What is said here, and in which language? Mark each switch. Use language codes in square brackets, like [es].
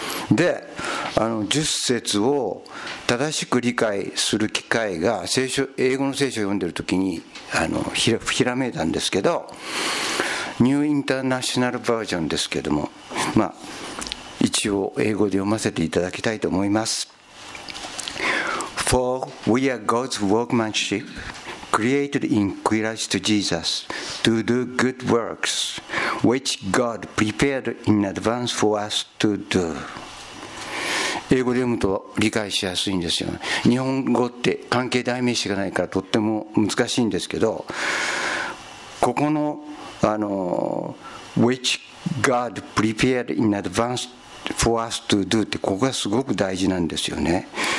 [ja] で10節を正しく理解する機会が英語の聖書を読んでる時にひらめいたんですけど、ニューインターナショナルバージョンですけども、一応英語で読ませていただきたいと思います。 [en] For we are God's workmanship, created in Christ Jesus to do good works, which God prepared in advance for us to do. [ja] 英語で読むと理解しやすいんですよ、ね、日本語って関係代名詞がないからとっても難しいんですけど、ここの [en] Which God prepared in advance for us to do [ja] って、ここがすごく大事なんですよね。